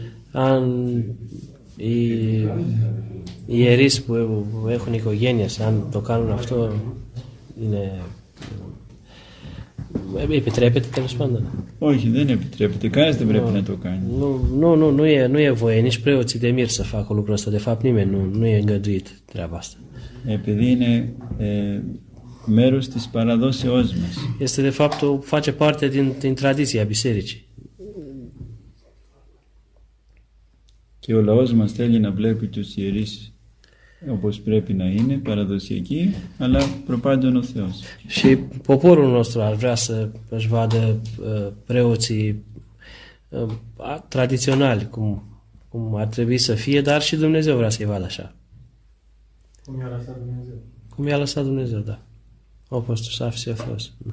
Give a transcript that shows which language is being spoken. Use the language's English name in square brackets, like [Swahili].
[Greek] Αν οι ιερείς που έχουν οικογένειες, αν το κάνουν αυτό, είναι επιτρέπεται τέλος πάντων. Όχι, δεν επιτρέπεται. Κανένας δεν πρέπει να το κάνει. [Romanian] Nu e voie nici preoții de mir să facă lucrul ăsta. De fapt, nimeni nu e îngăduit treaba asta. [Greek] Επειδή είναι μέρος της παραδόσεώς μας. [Romanian] Este de fapt, face parte din tradiția bisericii. [Greek] Και ο λαός μας θέλει να βλέπει τους ιερείς όπως πρέπει να είναι, παραδοσιακή, αλλά προπάντων ο Θεός. [Romanian] Și poporul nostru ar vrea să își vadă preoții tradiționali, cum ar trebui să fie, dar și Dumnezeu vrea să-i vadă așa. Cum i-a lăsat Dumnezeu. Cum i-a lăsat Dumnezeu, da. O postul să fie frumos.